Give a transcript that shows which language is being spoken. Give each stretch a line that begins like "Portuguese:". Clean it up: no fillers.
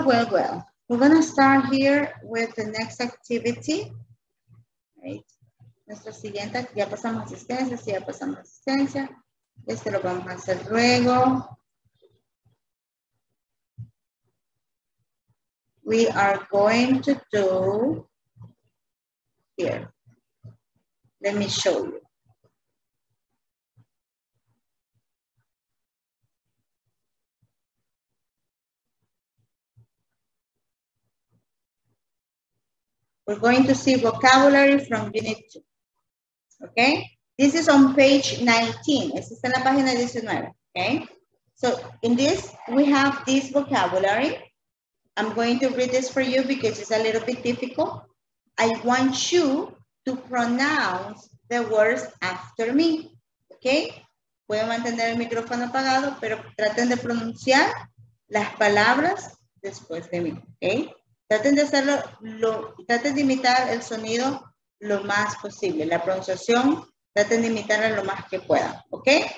English: We're going to start here with the next activity. Right.
Spanish: Nuestra siguiente, ya pasamos asistencia, sí, ya pasamos asistencia. Este lo vamos a hacer luego.
English: We are going to do here. Let me show you. We're going to see vocabulary from unit 2. Okay? This is on page 19.
Spanish: Es está en la página 19.
English: Okay? So, in this, we have this vocabulary. I'm going to read this for you because it's a little bit difficult. I want you to pronounce the words after me. Okay?
Spanish: Voy a mantener el micrófono apagado, pero traten de pronunciar las palabras después de mí. Okay? Traten de hacerlo, traten de imitar el sonido lo más posible. La pronunciación, traten de imitarla lo más que puedan. ¿Ok?